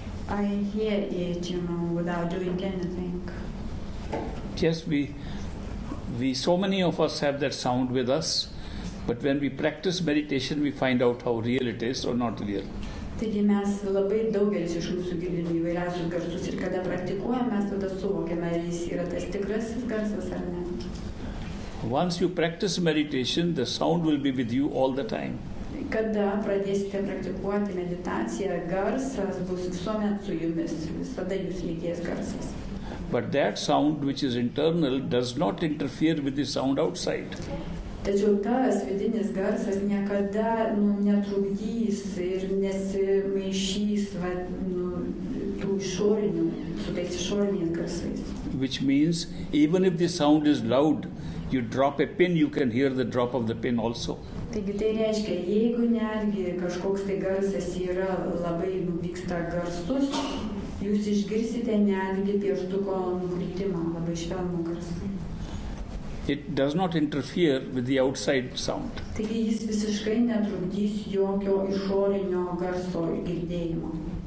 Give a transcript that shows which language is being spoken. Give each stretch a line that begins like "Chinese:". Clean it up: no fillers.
English: I hear it, you know, without doing anything. Yes, we so many of us have that sound with us, but when we practice meditation, we find out how real it is or not real.
Lithuanian: Taigi mes labai daugelis iš mūsų gilinių įvairiausius garsus ir kada praktikuojame, mes tada suvokiame, ar jis yra tas tikrasis garsas ar ne.
English: Once you practice meditation, the sound will be with you all the time.
Lithuanian: Kada pradėsite praktikuoti meditaciją, garsas bus visuomet su jumis, visada jūs lydės garsas.
English: But that sound which is internal does not interfere with the sound outside.
Lithuanian: Tačiau tas vidinis garsas niekada netrukdys ir nesimaišys su tais išoriniais garsais.
English: Which means, even if the sound is loud, you drop a pin, you can hear the drop of the pin also.
Lithuanian: Taigi tai reiškia, jeigu netgi kažkoks tai garsas yra labai vyksta garsus, jūs išgirsite netgi pieštuko nukritimą, labai švelnų garsą.
English: it does not interfere with the outside sound.
Lithuanian: Taigi jis visiškai netrukdys jokio išorinio garso girdėjimo.